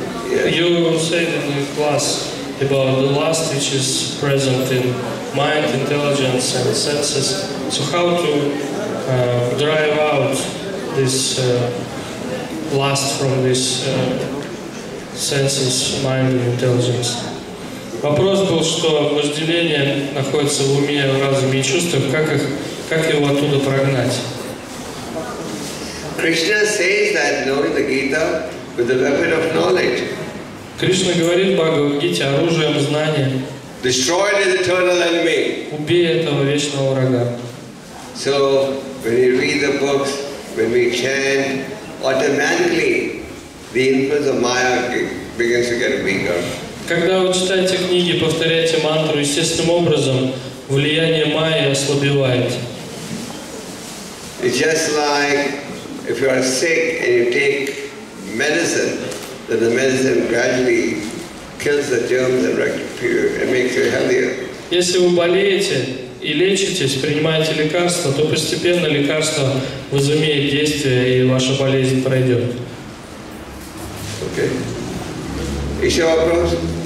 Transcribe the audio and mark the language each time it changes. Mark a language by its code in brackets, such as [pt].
[en] You will say that in class about the last which is present in mind, intelligence and senses. So how to drive out this last from this senses, mind and intelligence. [ru] Вопрос был, что вожделение находится в уме, в разуме и чувствах, как его оттуда прогнать? [en] Krishna says that knowing the Gita with the weapon of knowledge. [ru] Кришна говорит в Бхагавад-гите оружием знания. [en] Destroy the eternal enemy. [ru] Убей этого вечного врага. [en] So when we read the books, when we chant, automatically the influence of Maya begins to get weaker. [ru] Когда вы читаете книги, повторяете мантру, естественным образом влияние Майи ослабевает. [en] It's just like if you are sick and you take medicine, that the medicine gradually kills the germs and makes you healthier. [ru] Если вы болеете и лечитесь, принимаете лекарства, то постепенно лекарство возымеет действие и ваша болезнь пройдет. Okay. Еще вопрос?